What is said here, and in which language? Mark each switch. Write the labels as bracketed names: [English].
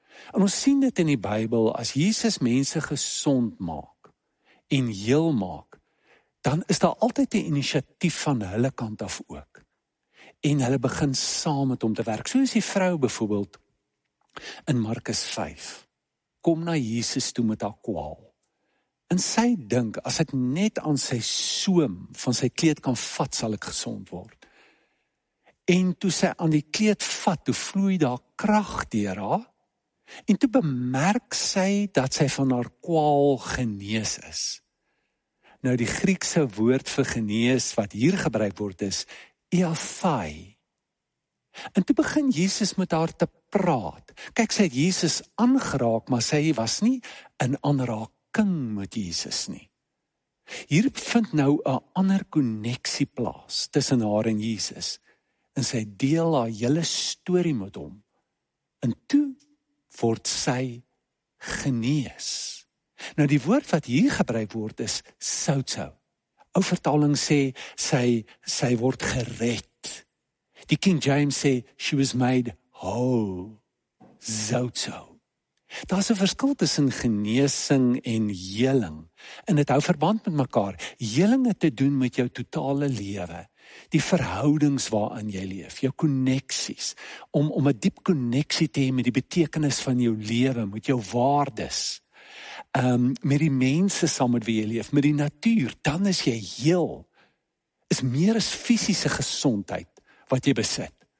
[Afrikaans] En ons sien dit in die Bybel, as Jesus mense gesond maak en heel maak, dan is daar altyd 'n inisiatief van hulle kant af ook. En hulle begin saam met hom te werk. Soos die vrou byvoorbeeld in Markus 5. Kom na Jesus toe met haar kwaal. En sy dink, as ek net aan sy soem van sy kleed kan vat, sal ek gesond word. En toe sy aan die kleed vat, toe vloei daar krag deur haar. En toe bemerk sy dat sy van haar kwaal genees is. Nou die Griekse woord vir genees wat hier gebruik word is iaphai. En toe begin Jesus met haar te praat. Kyk, sy het Jesus aangeraak, maar sy was nie in aanraking met Jesus nie. Hier vind nou 'n ander koneksie plaas tussen haar en Jesus. En sy deel haar hele storie met hom. En toe word sy genees. Nou die woord wat hier gebruik word is soutso. Ou vertaling sê sy word gered. Die King James sê [English] she was made whole. [Afrikaans] Soutso. Daar's 'n verskil tussen genesing en heling. En dit hou verband met mekaar. Heling het te doen met jou totale lewe. Die verhoudings waarin jy leef, jou koneksies, om 'n diep koneksie te hê met die betekenis van jou lewe, met jou waardes. Met die mense saam met wie jy leef, met die natuur, dan is jy heel. Is meer as fisiese gesondheid wat jy besit.